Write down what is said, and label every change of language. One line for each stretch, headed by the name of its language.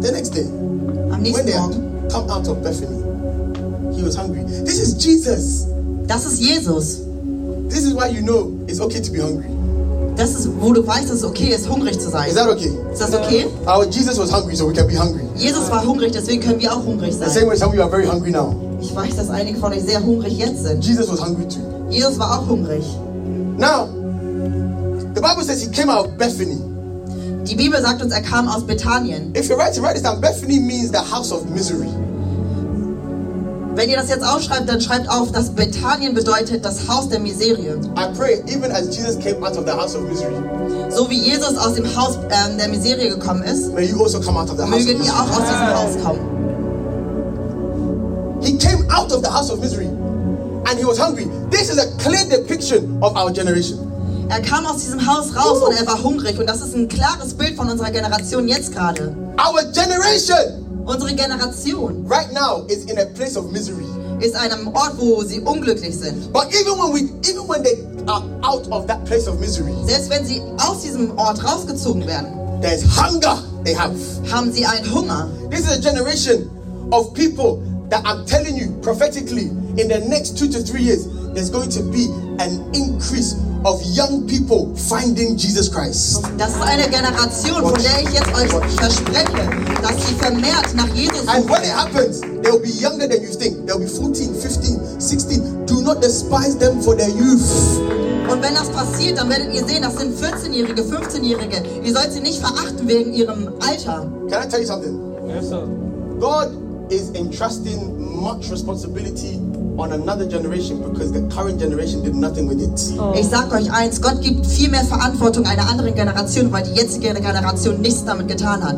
English: The next day, when they had come out of Bethany, he was hungry. This is Jesus.
German: Das ist Jesus.
English: This is why you know it's okay to be hungry.
German: Das ist, wo du weißt, dass es okay ist, hungrig zu sein.
English: Is that okay?
German: Ist das okay?
English: Our Jesus was hungry, so we can be hungry.
German: Jesus war hungrig, deswegen können wir auch hungrig sein.
English: The same way some of you are very hungry now.
German: Ich weiß, dass einige von euch sehr hungrig jetzt sind.
English: Jesus was hungry too.
German: Jesus war auch hungrig.
English: Now, the Bible says he came out of Bethany.
German: Die Bibel sagt uns, er kam aus Bethanien.
English: If you write it, write it down. Bethany means the house of misery.
German: Wenn ihr das jetzt aufschreibt, dann schreibt auf, dass Bethanien bedeutet das Haus der Miserie.
English: I pray, even as Jesus came out of the house of misery.
German: So wie Jesus aus dem Haus der Miserie gekommen ist,
English: may you also come out of the house
German: mögen ihr auch aus diesem Haus kommen.
English: He came out of the house of misery and he was hungry. This is a clear depiction of our generation.
German: Er kam aus diesem Haus raus und er war hungrig und das ist ein klares Bild von unserer Generation jetzt gerade.
English: Our generation.
German: Unsere Generation
English: right now is in a place of misery.
German: Ist einem Ort, wo sie unglücklich sind.
English: But even when they are out of that place of misery.
German: Selbst wenn sie aus diesem Ort rausgezogen werden.
English: There's hunger they have.
German: Haben sie einen Hunger.
English: This is a generation of people that I'm telling you prophetically in the next 2 to 3 years there's going to be an increase of young people finding Jesus Christ.
German: Das ist eine Generation, von der ich jetzt euch verspreche, dass sie vermehrt nach Jesus.
English: And when it happens, they will be younger than you think. They'll be 14, 15, 16. Do not despise them for their youth.
German: Und wenn das passiert, dann werdet ihr sehen, das sind 14-Jährige, 15-Jährige. Ihr sollt sie nicht verachten wegen ihrem Alter.
English: Can I tell you something? Yes, sir. God is entrusting much responsibility on another generation because the current generation did nothing with it. Oh.
German: Ich sag euch eins, Gott gibt viel mehr Verantwortung einer anderen Generation, weil die jetzige Generation nichts damit getan hat.